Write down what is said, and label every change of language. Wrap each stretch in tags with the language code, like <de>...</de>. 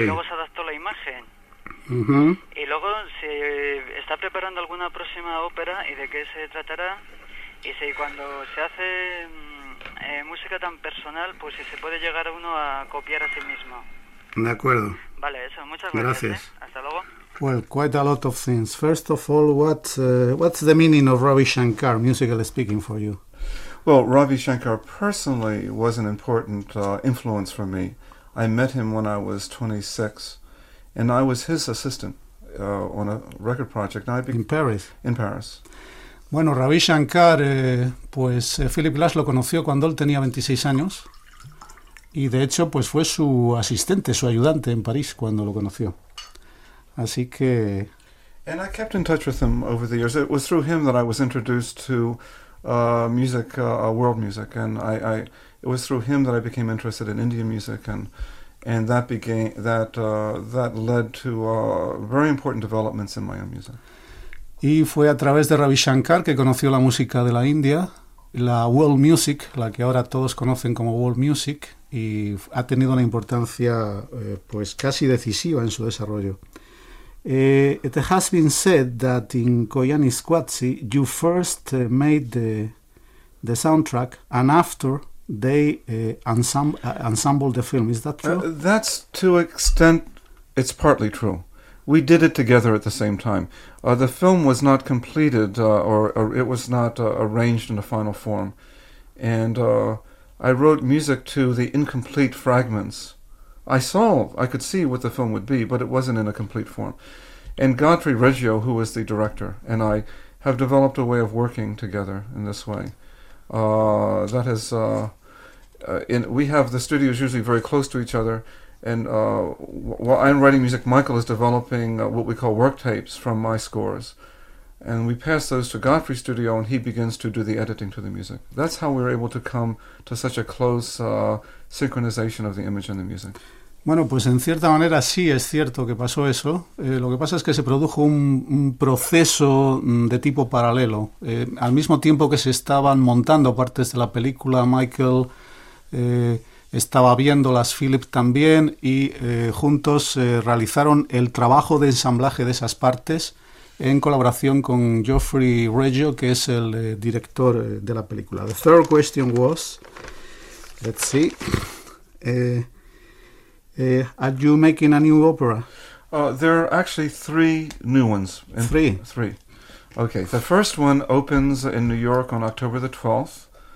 <es>y luego se adaptó la imagen. Uh-huh. Y luego, si está preparando alguna próxima ópera y de qué se tratará, y si cuando se hace música tan personal, pues si se puede llegar uno a copiar a sí mismo. De acuerdo. Vale, eso, muchas gracias. Gracias. Hasta luego.</es> <en>Well, quite a lot of things. First of all, what's the meaning of Ravi Shankar, musically speaking, for you? Well, Ravi Shankar personally was an important influence for me. I met him when I was 26. And I was his assistant on a record project. In Paris.</en> <es>Bueno, Ravi Shankar, Philip Glass lo conoció cuando él tenía 26 años. Y de hecho, pues fue su asistente, su ayudante en París cuando lo conoció. Así que...</es> <en>And I kept in touch with him over the years. It was through him that I was introduced to music, world music. And it was through him that I became interested in Indian music and that began that led to very important developments in my own music.</en> <es>Y fue a través de Ravi Shankar que conoció la música de la India, la world music, la que ahora todos conocen como world music, y ha tenido una importancia pues casi decisiva en su desarrollo.</es> <en>It has been said that in Koyaanisquatzi you first made the soundtrack and after they ensemble the film. Is that true? That's to an extent, it's partly true. We did it together at the same time. The film was not completed, or it was not arranged in a final form. And I wrote music to the incomplete fragments. I could see what the film would be, but it wasn't in a complete form. And Godfrey Reggio, who was the director, and I have developed a way of working together in this way. That has... we have the studios usually very close to each other, and while I'm writing music, Michael is developing what we call work tapes from my scores, and we pass those to Godfrey's studio, and he begins to do the editing to the music. That's how we're able to come to such a close synchronization of the image and the music.</en> <es>Bueno, pues en cierta manera sí es cierto que pasó eso. Lo que pasa es que se produjo un proceso de tipo paralelo. Al mismo tiempo que se estaban montando partes de la película, Michael... estaba viéndolas, Philip también, y juntos realizaron el trabajo de ensamblaje de esas partes en colaboración con Geoffrey Reggio, que es el director de la película.</es> <en>The third question was, let's see, are you making a new opera? There are actually three new ones. Three. Okay, the first one opens in New York on October the 12th.</en>